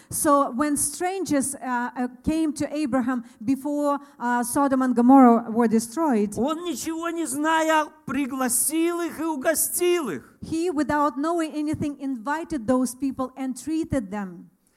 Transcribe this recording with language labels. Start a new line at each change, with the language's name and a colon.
English: So when strangers came to Abraham before Sodom and Gomorrah were destroyed,
Russian: он ничего не зная пригласил их и угостил их.
English: He, without knowing anything, invited those people and treated them.